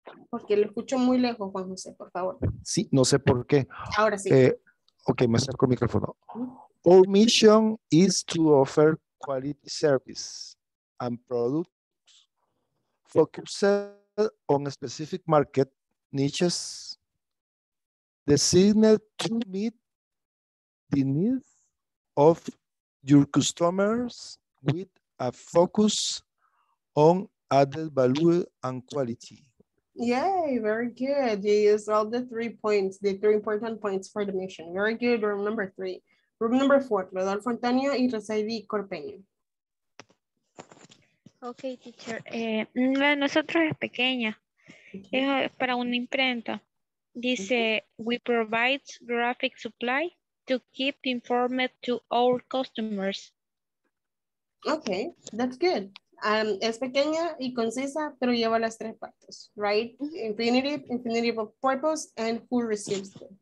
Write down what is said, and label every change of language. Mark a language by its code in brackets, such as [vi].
[es] Porque lo escucho muy lejos, Juan José, por favor. Sí, no sé por qué. Ahora sí. Okay, me acerco el micrófono. [en] Our mission is to offer quality service and product focused on a specific market niches designed to meet the needs of your customers with a focus on added value and quality. Yay, very good. You used all the three points, the three important points for the mission. Very good, room number three. Room number four, Rodolfo Antonio y Rosaydi Corpeño. [es] Ok, teacher. La de nosotros es pequeña. Es para una imprenta. Dice, [en] we provide graphic supply to keep informed to our customers. Ok, that's good. [es] Es pequeña y concisa, pero lleva las tres partes, right? [en] Infinitive, infinitive of purpose, and who receives it.